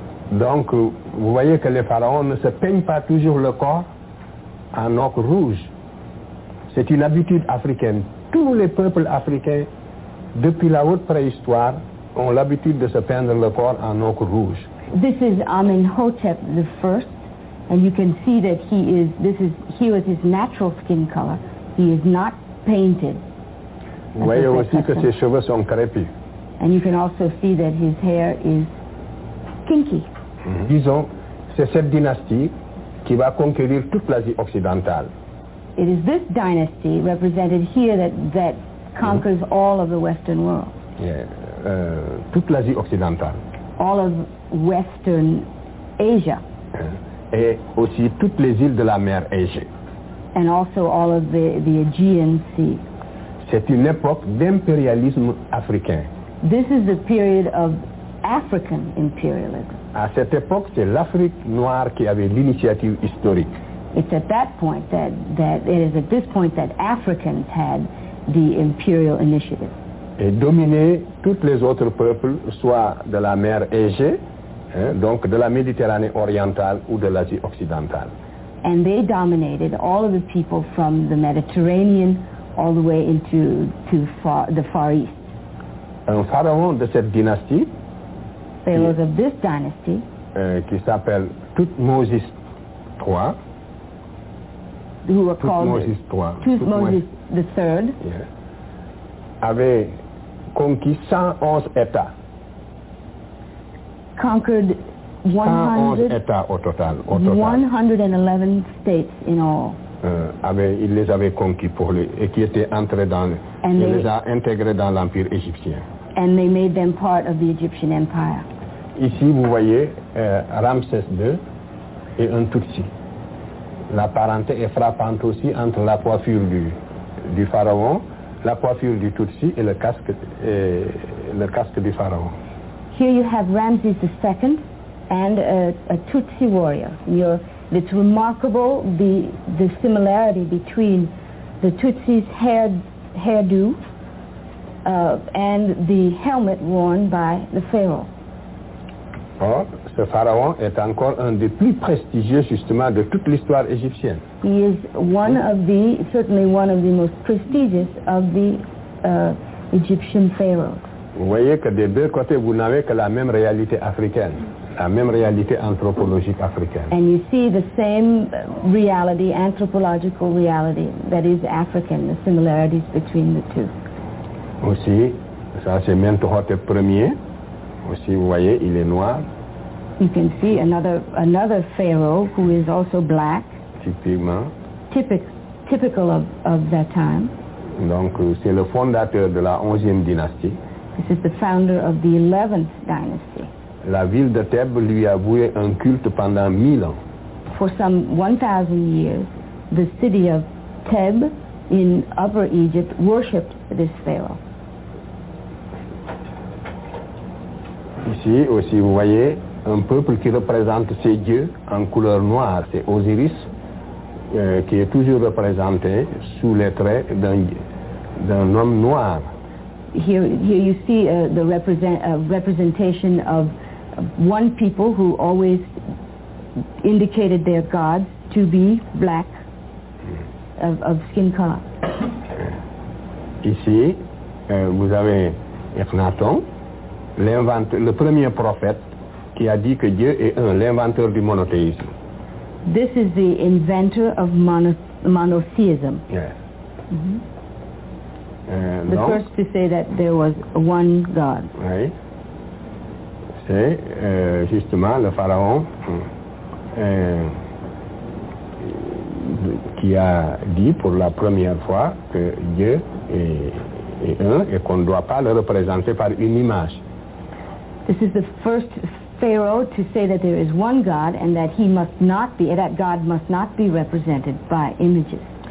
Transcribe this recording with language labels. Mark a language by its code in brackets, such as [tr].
[fr] Donc, vous voyez que les pharaons ne se peignent pas toujours le corps en ocre rouge. C'est une habitude africaine. Tous les peuples africains, depuis la haute préhistoire, ont l'habitude de se peindre le corps en ocre rouge. [en] This is Amenhotep the First. And you can see that he is, this is, he was his natural skin color. He is not painted. [fr] Vous voyez aussi que ses cheveux sont crépus. [en] And you can also see that his hair is kinky. [fr] Disons, c'est cette dynastie qui va conquérir toute l'Asie occidentale. [en] It is this dynasty represented here that, that conquers all of the Western world. [fr] Yeah, toute l'Asie occidentale. [en] All of Western Asia. [fr] Et aussi toutes les îles de la mer Égée. [en] And also all of the Aegean Sea. [fr] C'est une époque d'impérialisme africain. [en] This is the period of African imperialism. [fr] À cette époque, c'est l'Afrique noire qui avait l'initiative historique. [en] It's at that point that, that it is at this point that Africans had the imperial initiative. [fr] Et dominer tous les autres peuples, soit de la mer Égée, donc de la Méditerranée orientale ou de l'Asie occidentale. [en] And they dominated all of the people from the Mediterranean all the way into to far, the Far East. [fr] Un pharaon de cette dynastie, [en] pharaohs of this dynasty, [fr] qui s'appelle Thutmose III, [en] who were called Thutmose the Third, [fr] avait conquis 111 États. [en] Conquered 111 states in all. [fr] Il les avait conquis pour lui et qui étaient entrés dans, [en] and [fr] il les a intégrés dans l'empire égyptien. [en] And they made them part of the Egyptian Empire. [fr] Ici, vous voyez Ramsès II et un Tutsi. La parenté est frappante aussi entre la coiffure du pharaon, la coiffure du Tutsi et le casque du pharaon. [en] Here you have Ramses II and a Tutsi warrior. It's remarkable the similarity between the Tutsi's hairdo and the helmet worn by the pharaoh. [fr] Or, ce pharaon est encore un des plus prestigieux justement de toute l'histoire égyptienne. [en] He is certainly one of the most prestigious of the Egyptian pharaohs. [fr] Vous voyez que des deux côtés, vous n'avez que la même réalité africaine, la même réalité anthropologique africaine. [en] And you see the same reality, anthropological reality, that is African, the similarities between the two. [fr] Aussi, ça c'est Menthotep Ier. Aussi, vous voyez, il est noir. [en] You can see another pharaoh who is also black. [fr] Typiquement. [en] Typical of that time. [fr] Donc, c'est le fondateur de la 11e dynastie. [en] This is the founder of the 11th dynasty. [fr] La ville de Thèbes lui a voué un culte pendant 1000 ans. [en] For some 1,000 years, the city of Thèbes in Upper Egypt worshipped this pharaoh. [fr] Ici aussi, vous voyez un peuple qui représente ces dieux en couleur noire. C'est Osiris qui est toujours représenté sous les traits d'un homme noir. [en] Here you see representation of one people who always indicated their gods to be black, of skin color. [fr] Ici, vous avez Echnaton, le premier prophète qui a dit que Dieu est un, l'inventeur du monothéisme. [en] This is the inventor of monotheism. Yes. Mm-hmm. The first to say that there was one God. [fr] Oui. C'est justement le pharaon qui a dit pour la première fois que Dieu est un et qu'on ne doit pas le représenter par une image. [en] This is the first Pharaoh to say that there is one God and that he must not be, that God must not be represented by images.